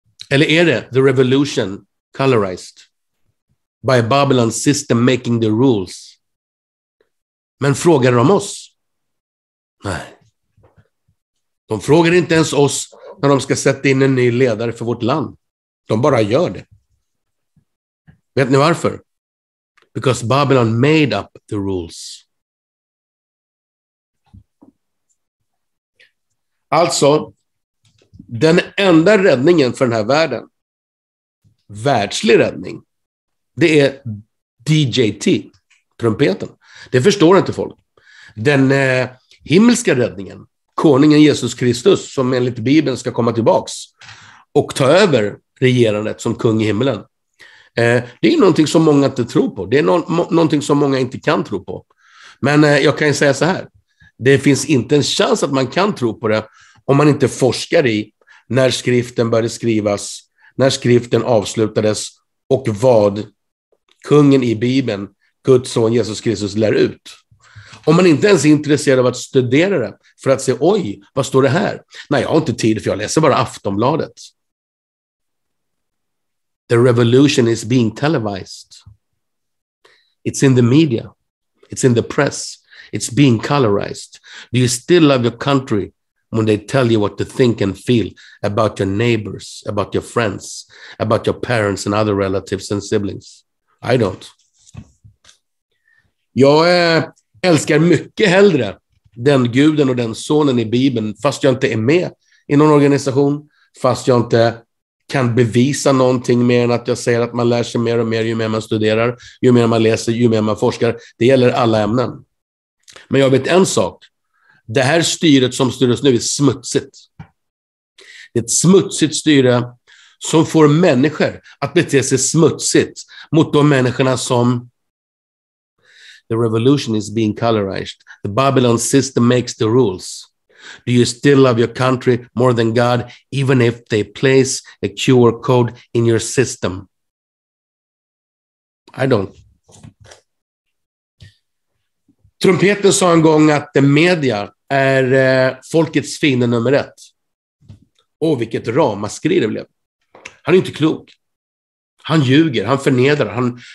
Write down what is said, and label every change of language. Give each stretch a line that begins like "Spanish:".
Swedish: Eller är det
English: the revolution colorized by Babylon's system making the rules?
Swedish: Men frågar de oss? Nej. De frågar inte ens oss när de ska sätta in en ny ledare för vårt land. De bara gör det. Vet ni varför?
English: Because Babylon made up the rules.
Swedish: Alltså, den enda räddningen för den här världen, världslig räddning, det är DJT, trumpeten. Det förstår inte folk. Den himmelska räddningen, konungen Jesus Kristus, som enligt Bibeln ska komma tillbaks och ta över regerandet som kung i himlen. Det är någonting som många inte tror på. Det är någonting som många inte kan tro på. Men jag kan ju säga så här. Det finns inte en chans att man kan tro på det om man inte forskar i när skriften började skrivas, när skriften avslutades och vad kungen i Bibeln, Guds son Jesus Kristus, lär ut. Om man inte ens är intresserad av att studera det för att se, oj, vad står det här? Nej, jag har inte tid, för jag läser bara Aftonbladet.
English: The revolution is being televised. It's in the media. It's in the press. It's being colorized. Do you still love your country when they tell you what to think and feel about your neighbors, about your friends, about your parents and other relatives and siblings? I don't.
Swedish: Jag älskar mycket hellre den guden och den sonen i Bibeln, fast jag inte är med i någon organisation, fast jag inte kan bevisa någonting mer än att jag säger att man lär sig mer och mer ju mer man studerar, ju mer man läser, ju mer man forskar. Det gäller alla ämnen. Men jag vet en sak. Det här styret som styrs nu är smutsigt. Det är ett smutsigt styre som får människor att bete sig smutsigt mot de människorna som
English: the revolution is being colorized. The Babylon system makes the rules. Do you still love your country more than God, even if they place a QR code in your system? I don't.
Swedish: Trumpeten sa en gång att
English: the media
Swedish: är folkets fiende nummer ett. Åh, vilket ramaskri det blev. Han är inte klok. Han ljuger, han förnedrar.